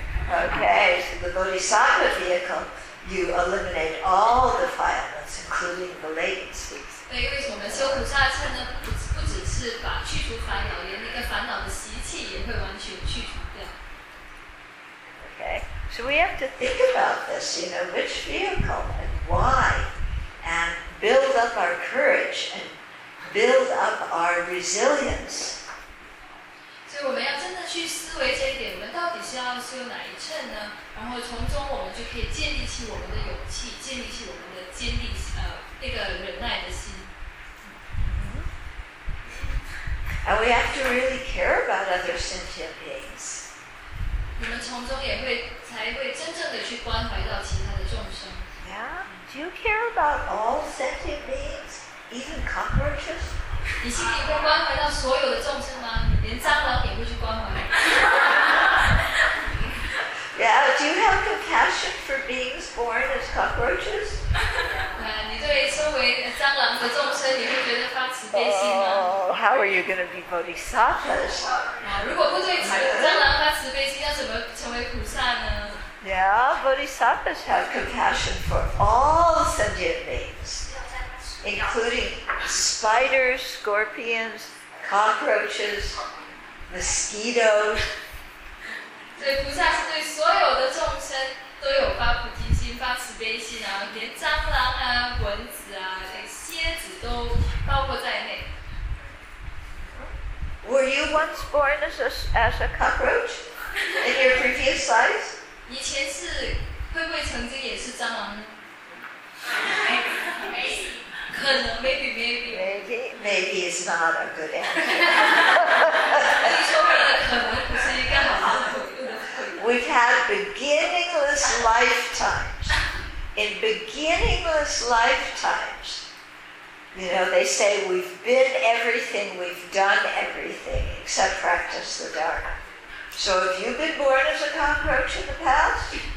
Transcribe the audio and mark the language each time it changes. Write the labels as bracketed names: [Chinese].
[English] Okay, so the Bodhisattva vehicle, you eliminate all defilements, including the latencies. [Chinese] 对，因为我们修菩萨乘呢，不只是把去除烦恼，连那个烦恼的习气也会完全去除掉。 [English] Okay, so we have to think about this, you know, which vehicle and why, and build up our courage and build up our resilience. [Chinese] 所以我们要真的去思维这一点，我们到底是要修哪一乘呢？然后从中我们就可以建立起我们的勇气，建立起我们的坚定，那个忍耐的心。 [English] And we have to really care about other sentient beings. [Chinese] 我们从中也会才会真正的去关怀到其他的众生。 [English] Yeah. Do you care about all sentient beings, even cockroaches? [Chinese] 你心里会关怀到所有的众生吗？连蟑螂也会去关怀。 [English] Yeah, do you have compassion for beings born as cockroaches? [Chinese] 你对身为蟑螂的众生，你会觉得发慈悲心吗？ [English] Oh, how are you going to be bodhisattvas? [Chinese] 如果不对蟑螂发慈悲心，要怎么成为菩萨呢？ [English] Yeah, bodhisattvas have compassion for all sentient beings, including spiders, scorpions, cockroaches, mosquitoes. [Chinese] 所以菩萨是对所有的众生都有发菩提心、发慈悲心啊，连蟑螂啊、蚊子啊、蝎子都包括在内。 [English] Were you once born as a cockroach in your previous life? [Chinese] 以前是会不会曾经也是蟑螂呢？可能 [English] maybe is not a good answer. [Chinese] 你说的可能不是一个好的。 [English] We've had beginningless lifetimes. In beginningless lifetimes, you know, they say we've been everything, we've done everything, except practice the Dharma. So have you been born as a cockroach in the past?